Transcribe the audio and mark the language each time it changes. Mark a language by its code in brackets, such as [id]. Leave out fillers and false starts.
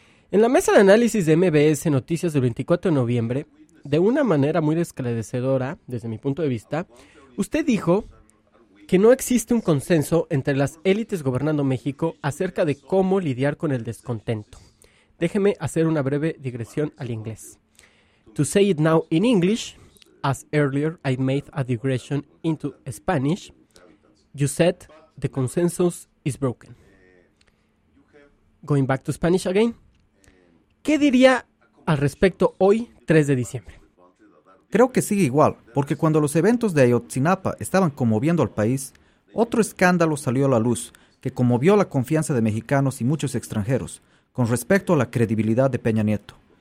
[es] En la mesa de análisis de MBS Noticias del 24 de noviembre, de una manera muy esclarecedora, desde mi punto de vista, usted dijo que no existe un consenso entre las élites gobernando México acerca de cómo lidiar con el descontento. Déjeme hacer una breve digresión al inglés. [en] To say it now in English, as earlier I made a digression into Spanish, you said the consensus is broken. Going back to Spanish again. [es] ¿Qué diría al respecto hoy, 3 de diciembre? Creo que sigue igual, porque cuando los eventos de Ayotzinapa estaban conmoviendo al país, otro escándalo salió a la luz que conmovió la confianza de mexicanos y muchos extranjeros con respecto a la credibilidad de Peña Nieto.